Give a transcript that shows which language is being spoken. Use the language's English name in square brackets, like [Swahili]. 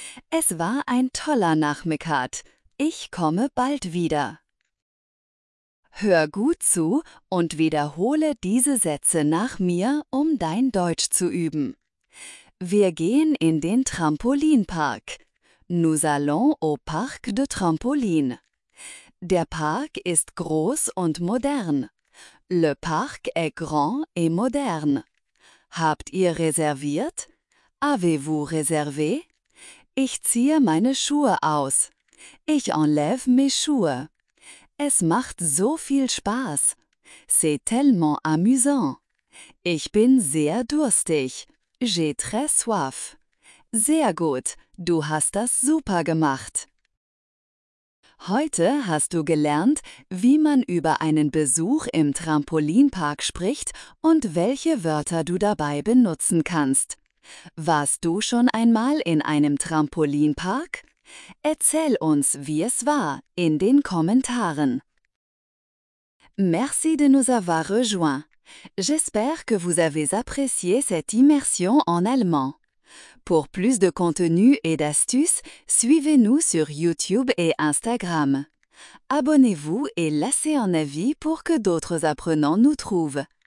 [German] Es war ein toller Nachmittag. Ich komme bald wieder. Hör gut zu und wiederhole diese Sätze nach mir, um dein Deutsch zu üben. Wir gehen in den Trampolinpark. [French] Nous allons au parc de trampoline. [German] Der Park ist groß und modern. [French] Le parc est grand et moderne. [German] Habt ihr reserviert? [French] Avez-vous réservé? [German] Ich ziehe meine Schuhe aus. Ich [French] enlève mes [German] Schuhe. Es macht so viel Spaß. [French] C'est tellement amusant. [German] Ich bin sehr durstig. [French] J'ai très soif. [German] Sehr gut, du hast das super gemacht. Heute hast du gelernt, wie man über einen Besuch im Trampolinpark spricht und welche Wörter du dabei benutzen kannst. Warst du schon einmal in einem Trampolinpark? Erzähl uns, wie es war, in den Kommentaren. [French] Merci de nous avoir rejoints. J'espère que vous avez apprécié cette immersion en allemand. Pour plus de contenu et d'astuces, suivez-nous sur YouTube et Instagram. Abonnez-vous et laissez un avis pour que d'autres apprenants nous trouvent.